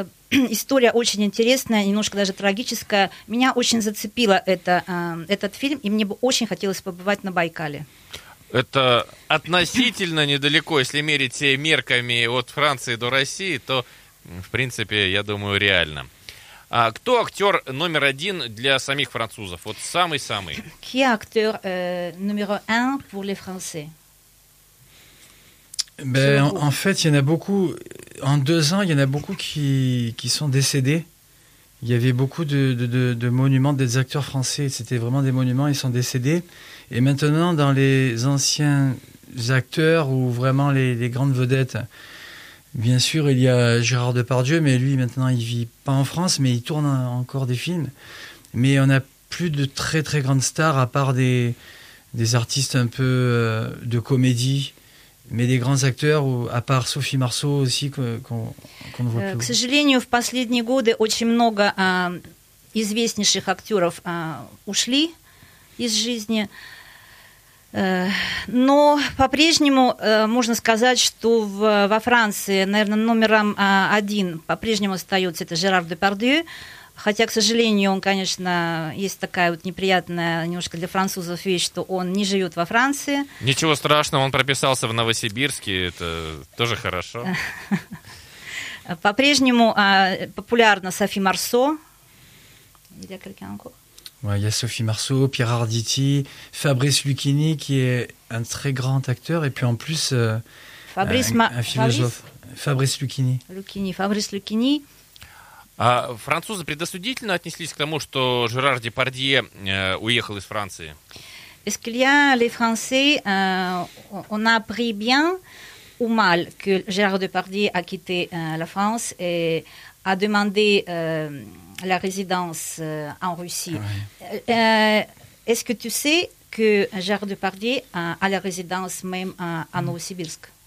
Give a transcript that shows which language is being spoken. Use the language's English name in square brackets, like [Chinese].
[Russian] История очень интересная, немножко даже трагическая. Меня очень зацепило этот фильм, и мне бы очень хотелось побывать на Байкале. Это относительно недалеко, если мерить мерками от Франции до России, то, в принципе, я думаю, реально. А кто актер номер один для самих французов? Вот самый-самый. [French] Qui est acteur numéro un pour les Français? Ben, en fait, il y en a beaucoup. en 2 ans, il y en a beaucoup qui sont décédés. Il y avait beaucoup de monuments des acteurs français. C'était vraiment des monuments, ils sont décédés. Et maintenant, dans les anciens acteurs ou vraiment les grandes vedettes, bien sûr, il y a Gérard Depardieu, mais lui, maintenant, il vit pas en France, mais il tourne encore des films. Mais on n'a plus de très, très grandes stars, à part des artistes un peu de comédie, mais des grands acteurs, à part Sophie Marceau aussi, qu'on ne voit plus. [Russian] К сожалению, в последние годы очень много известнейших актеров ушли из жизни. Но по-прежнему можно сказать, что во Франции, наверное, номером один по-прежнему остается это Жерар Депардье. Хотя, к сожалению, он, конечно, есть такая вот неприятная немножко для французов вещь, что он не живет во Франции. Ничего страшного, он прописался в Новосибирске, это тоже хорошо. По-прежнему популярна Софи Марсо. Для Крикенко. [French] Ouais, il y a Sophie Marceau, Pierre Arditi, Fabrice Lucchini, qui est un très grand acteur, et puis en plus, un philosophe. Fabrice Lucchini. Fabrice Lucchini. [Russian] Французы предосудительно отнеслись к тому, что Жерар Депардье уехал из Франции? [French] Est-ce qu'il y a les Français, on a pris bien ou mal que Gérard Depardieu a quitté la France et a demandé... la résidence en Russie. Ouais. Est-ce que tu sais que Gérard Depardieu a la résidence même à Novosibirsk?